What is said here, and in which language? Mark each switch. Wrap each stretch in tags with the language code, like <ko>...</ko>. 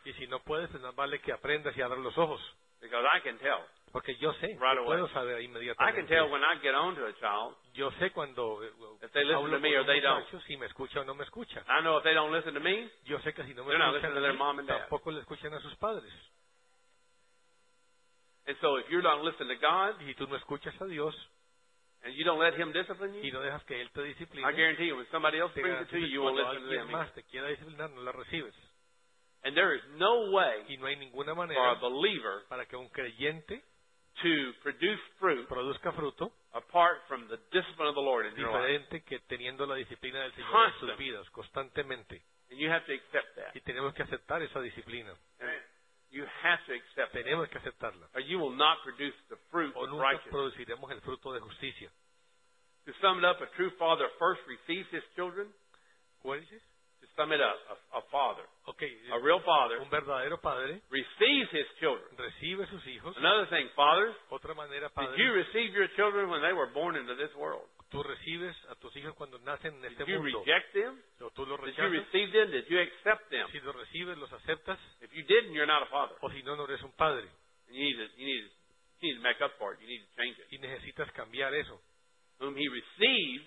<es>Y si no puedes, más vale que aprendas y abras los ojos.</es> <en>Because I can tell.</en> <es>Porque yo sé.</es> <en>Right away.</en> <es>Puedo saber inmediatamente.</es> <en>I can tell when I get on to a child.</en> <es>Yo sé cuando</es> <en>if they listen to me or they don't.</en> <es>Si me escucha o no me escucha.</es> <en>I know if they don't listen to me.</en> <es>Yo sé que si no me escuchan.</es> <en>They're not listening to their mom and dad.</en> <es>Tampoco le escuchan a sus padres.</es> <en>And so if you don't listen to God,</en> <es>y tú no escuchas a Dios,</es> <en>and you don't let him discipline you,</en> <es>y no dejas que él te discipline,</es> <en>I guarantee you, when somebody else brings it to you, you won't listen to him.</en> <es>Más te quiera disciplinar, no la recibes.</es> <en>And there is no way</en> <es>y no hay ninguna manera</es> <en>for a believer</en> <es>para que un creyente</es> <en>to produce fruit</en> <es>produzca fruto</es> <en>apart from the discipline of the Lord in your life.</en> <es>Diferente que teniendo la disciplina del Señor en sus vidas constantemente.</es> <en>And you have to accept that.</en> <es>Y tenemos que aceptar esa disciplina.</es> <en>You have to accept</en> <es>it. Tenemos que aceptarla.</es> <en>Or you will not produce the fruit</en> <es>o</es> <en>of righteousness.</en> <es>Produciremos el fruto de justicia.</es> <en>To sum it up, a true father first receives his children. What is it? To sum it up, a father. Okay. A real father.</en> <es>Un verdadero padre.</es> <en>Receives his children.</en> <es>Recibe sus hijos.</es> <en>Another thing, fathers.</en> <es>Otra manera, padres.</es> <en>Did you receive your children when they were born into this world?</en> <es>Tú recibes a tus hijos cuando nacen en este</es> <en>did you</en> <es>mundo.</es> <en>Reject them?</en> <es>¿O tú los rechazas?</es> <en>Did you receive them? Did you accept them?</en> <es>Si los recibes, los aceptas.</es> <en>If you didn't, you're not a father.</en> <es>O si no, no eres un padre.</es> <en>You need to make up for it. You need to change it.</en> <es>Y necesitas cambiar eso.</es> <en>Whom he received,</en>